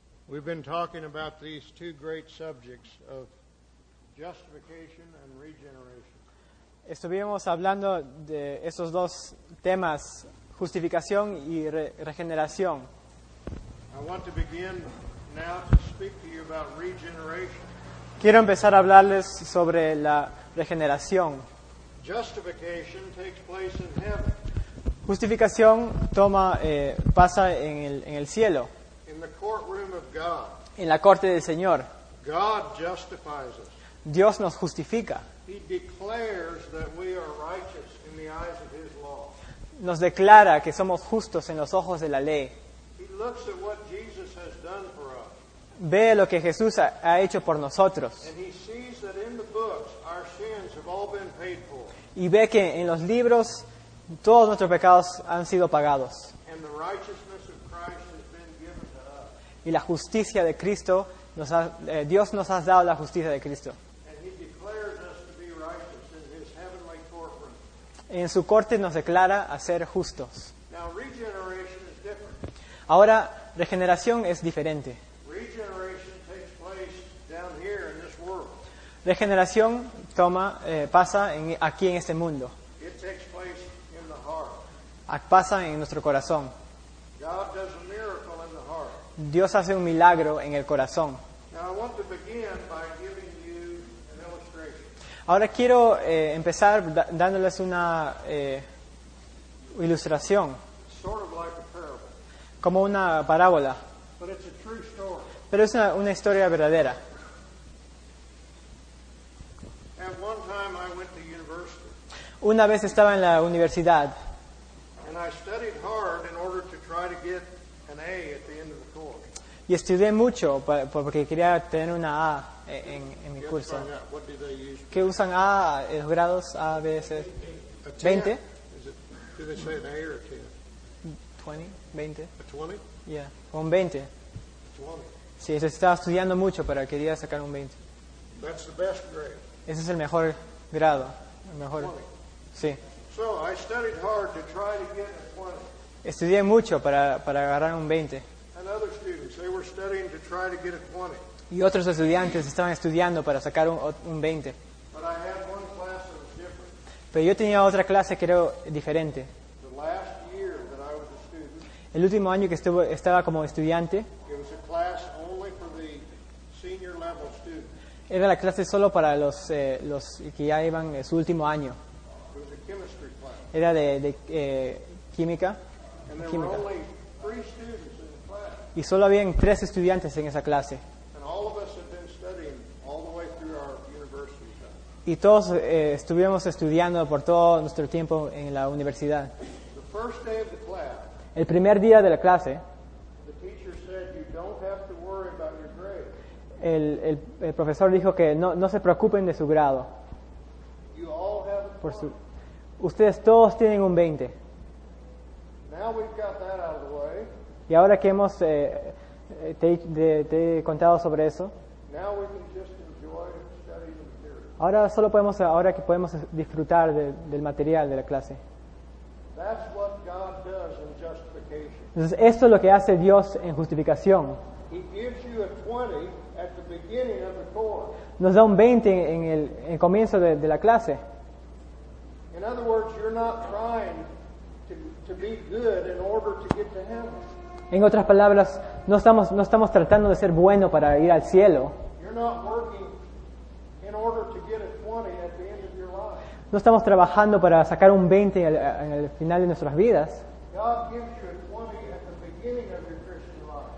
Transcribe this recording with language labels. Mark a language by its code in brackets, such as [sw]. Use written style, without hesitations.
[en] We've been talking about these two great subjects of justification and regeneration. [es] Estuvimos hablando de esos dos temas, justificación y regeneración. [en] I want to begin now to speak to you about regeneration. [es] Quiero empezar a hablarles sobre la regeneración. [en] Justification takes place in heaven. [es] Justificación toma pasa en el cielo. [en] In the courtroom of God. [es] En la corte del Señor. [en] God justifies us. [es] Dios nos justifica. [en] He declares that we are righteous in the eyes of his law. [es] Nos declara que somos justos en los ojos de la ley. [en] He looks at what Jesus has done for us. [es] Ve lo que Jesús ha hecho por nosotros. [en] And he sees that in the books our sins have all been paid for. [es] Y ve que en los libros todos nuestros pecados han sido pagados. [en] And the righteousness of Christ has been given to us. [es] Y la justicia de Cristo, Dios nos ha dado la justicia de Cristo. [en] And he declares us to be righteous in his heavenly courtroom. [es] En su corte nos declara a ser justos. [en] Now, regeneration is different. [es] Ahora, regeneración es diferente. [en] Regeneration takes place down here in this world. [es] Regeneración pasa aquí en este mundo. [en] It takes place in the heart. [es] Pasa en nuestro corazón. [en] God does a miracle in the heart. [es] Dios hace un milagro en el corazón. [en] Now I want to begin by giving you an illustration. [es] Ahora quiero empezar dándoles una ilustración. [en] Sort of like a parable. [es] Como una parábola. [en] But it's a true story. [es] Pero es una historia verdadera. [en] At one time I went to university. [es] Una vez estaba en la universidad. [en] And I studied hard in order to try to get an A at the end of the course. [es] Y estudié mucho porque quería tener una A en mi curso. [en] What do they use? [es] ¿Qué usan A, los grados A, B, C? A 20? [en] Do they say an A or a 10? 20, 20. A 20? [es] Yeah, un 20. [en] A 20. [es] Sí, estaba estudiando mucho, pero quería sacar un 20. [en] That's the best grade. [es] Ese es el mejor grado. El mejor. 20. Sí. [en] So I studied hard to try to get a 20. [es] Estudié mucho para agarrar un 20. [en] And other students, they were studying to try to get a 20. [es] Y otros estudiantes estaban estudiando para sacar un 20. [en] But I had one class that was different. [es] Pero yo tenía otra clase que era diferente. [en] The last year that I was a student, [es] el último año que estaba como estudiante, [en] it was a class only for the senior level students. [es] Era la clase solo para los que ya iban en su último año. [en] It was a chemistry class. [es] Era de química. [en] And there [es] química. [en] Were only three students in the class. [es] Y solo habían tres estudiantes en esa clase. [en] And all of us had been studying all the way through our university time. [es] Y todos estuvimos estudiando por todo nuestro tiempo en la universidad. [en] The first day of the class, [es] el primer día de la clase, [en] the teacher said you don't have to worry about your grade. [es] El profesor dijo que no se preocupen de su grado. [en] You all have a [es] por su, ustedes todos tienen un 20. [en] Now we've got that out of the way. [es] Y ahora que hemos te he contado sobre eso, [en] now we can just enjoy studying the material. [es] Ahora que podemos disfrutar del material de la clase. [en] That's what God does in justification. [es] Entonces, esto es lo que hace Dios en justificación. [en] He gives you a 20 at the beginning of the course. [es] Nos da un 20 en el comienzo de la clase. [en] In other words, you're not trying to be good in order to get to heaven. [es] En otras palabras, no estamos tratando de ser bueno para ir al cielo. [en] You're not working in order to get a 20 at the end of your life. [es] No estamos trabajando para sacar un 20 en el final de nuestras vidas. [en] God gives you a 20 at the beginning of your life.